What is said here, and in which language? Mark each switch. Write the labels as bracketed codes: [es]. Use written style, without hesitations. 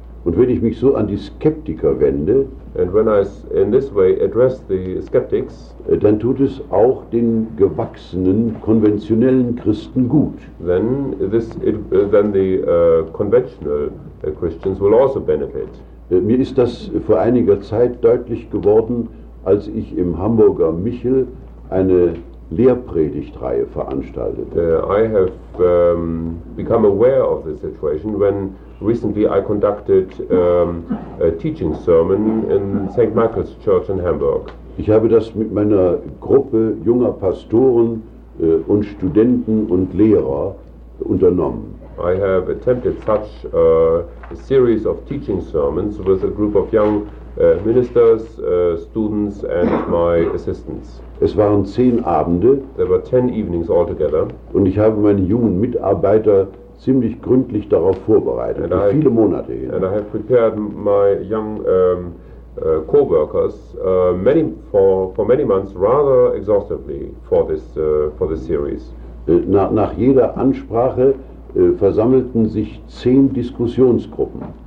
[de] Und wenn ich mich so an die Skeptiker wende, [en] and when I in this way address the skeptics, [de] dann tut es auch den gewachsenen konventionellen Christen gut. [en] Then the conventional Christians will also benefit. [de] Mir ist das vor einiger Zeit deutlich geworden, als ich im Hamburger Michel eine Lehrpredigtreihe veranstaltete. [en] I have become aware of the situation when recently I conducted a teaching sermon in St. Michael's Church in Hamburg. [de] Ich habe das mit meiner Gruppe junger Pastoren und Studenten und Lehrer unternommen. [en] I have attempted such a series of teaching sermons with a group of young ministers, students and my assistants. [de] Es waren 10 Abende. [en] There were 10 evenings altogether. [de] Und ich habe meine jungen Mitarbeiter ziemlich gründlich darauf vorbereitet, [en] and [de] für viele Monate hin. [en] And I have prepared my young co-workers for many months rather exhaustively for this series. [de] Nach jeder Ansprache versammelten sich 10 Diskussionsgruppen.